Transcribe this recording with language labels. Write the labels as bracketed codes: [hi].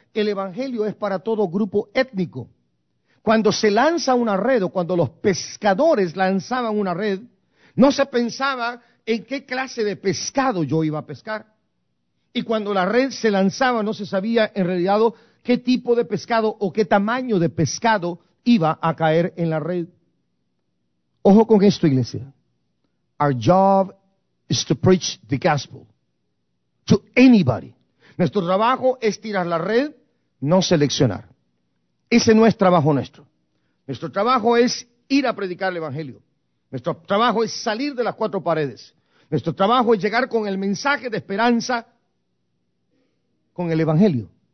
[es] El evangelio es para todo grupo étnico. Cuando se lanza una red o cuando los pescadores lanzaban una red, no se pensaba en qué clase de pescado yo iba a pescar. Y cuando la red se lanzaba, no se sabía en realidad qué tipo de pescado o qué tamaño de pescado iba a caer en la red. Ojo con esto, iglesia. [en] Our job is to preach the gospel to anybody. [es] Nuestro trabajo es tirar la red, no seleccionar. Ese no es trabajo nuestro. Nuestro trabajo es ir a predicar el evangelio. Nuestro trabajo es salir de las cuatro paredes. Nuestro trabajo es llegar con el mensaje de esperanza, con el evangelio.